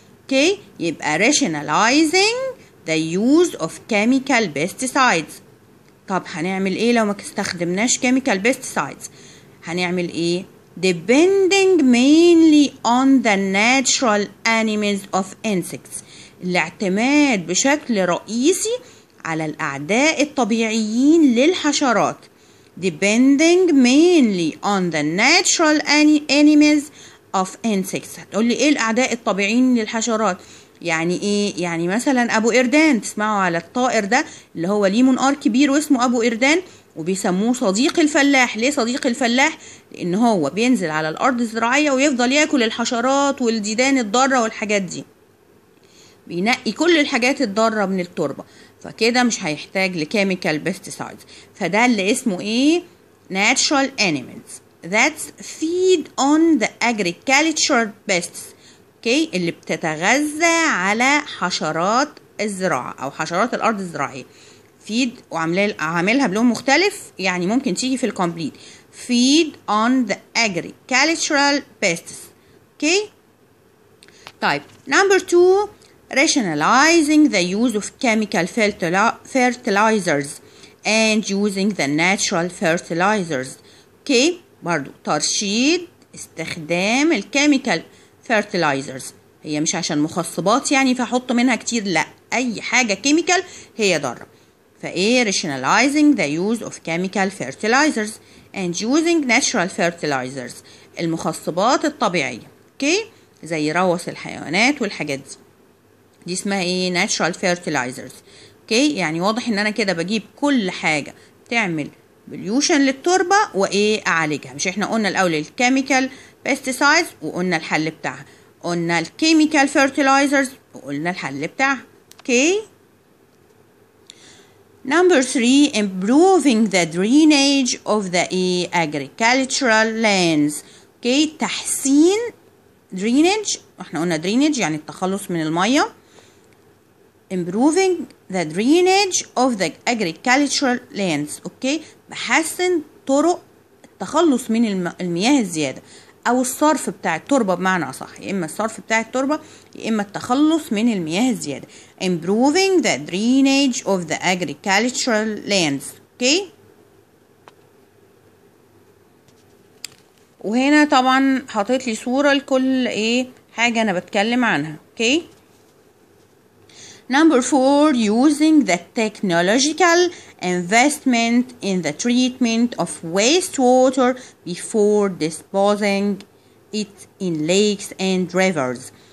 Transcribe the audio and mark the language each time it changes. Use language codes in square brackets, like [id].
[en] Okay, يبقى rationalizing the use of chemical pesticides. [ar] طب هنعمل ايه لو ما استخدمناش chemical pesticides؟ هنعمل ايه؟ [en] depending mainly on the natural enemies of insects، [ar] الاعتماد بشكل رئيسي على الأعداء الطبيعيين للحشرات. [en] depending mainly on the natural enemies of insects، [ar] هتقولي ايه الأعداء الطبيعيين للحشرات؟ يعني ايه؟ يعني مثلا أبو إردان، تسمعوا على الطائر ده اللي هو ليه منقار كبير واسمه أبو إردان وبيسموه صديق الفلاح. ليه صديق الفلاح؟ لأن هو بينزل على الأرض الزراعية ويفضل يأكل الحشرات والديدان الضارة والحاجات دي، بينقي كل الحاجات الضارة من التربة، فكده مش هيحتاج لكيميكال بيستسايدز. فده اللي اسمه ايه؟ [en] natural animals that feed on the agriculture pests. [ar] اوكي، اللي بتتغذى على حشرات الزراعة او حشرات الارض الزراعية. feed وعاملها بلون مختلف، يعني ممكن تيجي في الكمبليت، [en] feed on the agricultural pests. Okay, طيب number two، rationalizing the use of chemical fertilizers and using the natural fertilizers. [ar] okay، برضو ترشيد استخدام الكيميكال fertilizers، هي مش عشان مخصبات يعني فحط منها كتير، لا، اي حاجة كيميكال هي ضارة. [en] فايه rationalizing the use of chemical fertilizers and using natural fertilizers، [ar] المخصبات الطبيعية. okay، زي روث الحيوانات والحاجات دي، دي اسمها ايه؟ natural fertilizers. اوكي، يعني واضح ان انا كده بجيب كل حاجة تعمل pollution للتربة وايه اعالجها. مش احنا قلنا الاول الكيميكال pesticides وقلنا الحل بتاعها، قلنا الكيميكال fertilizers وقلنا الحل بتاعها. [en] Okay, number three، improving the drainage of the agricultural lands. [ar] اوكي، تحسين drainage، احنا قلنا drainage يعني التخلص من المية. [en] Improving the drainage of the agricultural lands. [ar] Okay، بحسن طرق التخلص من المياه الزيادة أو الصرف بتاع التربة، بمعنى صح يا إما الصرف بتاع التربة يا إما التخلص من المياه الزيادة. [en] Improving the drainage of the agricultural lands. [ar] Okay، وهنا طبعا حطيت لي صورة لكل إيه حاجة أنا بتكلم عنها. [en] Okay، number four، using the technological investment in the treatment of wastewater before disposing it in lakes and rivers.